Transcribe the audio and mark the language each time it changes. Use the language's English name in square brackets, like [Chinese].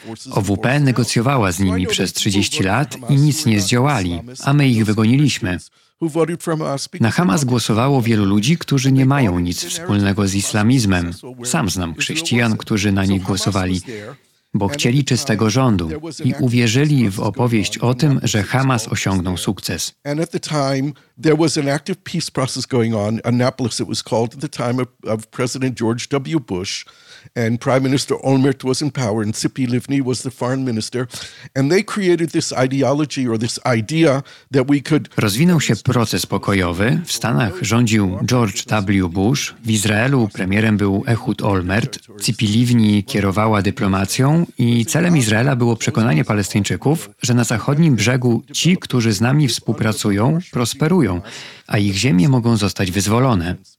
[Polish] OWP negocjowała z nimi przez 30 lat i nic nie zdziałali, a my ich wygoniliśmy. Na Hamas głosowało wielu ludzi, którzy nie mają nic wspólnego z islamizmem. Sam znam chrześcijan, którzy na nich głosowali, bo chcieli czystego rządu i uwierzyli w opowieść o tym, że Hamas osiągnął sukces. [English] There was an active peace process going on, Annapolis it was called, at the time of President George W. Bush, and Prime Minister Olmert was in power, and Tzipi Livni was the foreign minister, and they created this ideology or this idea that we could... [Polish] Rozwinął się proces pokojowy, w Stanach rządził George W. Bush, w Izraelu premierem był Ehud Olmert, Tzipi Livni kierowała dyplomacją i celem Izraela było przekonanie Palestyńczyków, że na zachodnim brzegu ci, którzy z nami współpracują, prosperują, a ich ziemie mogą zostać wyzwolone.